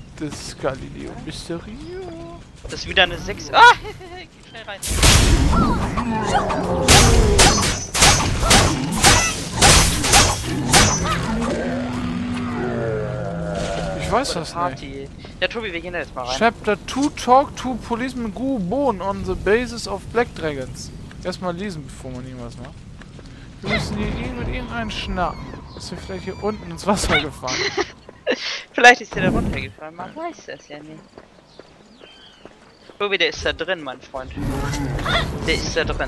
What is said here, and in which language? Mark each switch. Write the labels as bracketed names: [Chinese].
[German] Das ist Galileo Mysterio. Das ist wieder eine 6. Ah! Geh schnell rein. Ich weiß das nicht. Ja, Tobi, wir gehen da jetzt mal rein. [English] Chapter 2 Talk to Policeman Gu Bon on the basis of Black Dragons. [German] Erstmal lesen, bevor man irgendwas macht. Wir müssen hier irgendeinen schnappen. Ist hier vielleicht hier unten ins Wasser gefahren? Vielleicht ist der da runtergefallen, man weiß das ja nicht. Tobi, der ist da drin, mein Freund. Der ist da drin.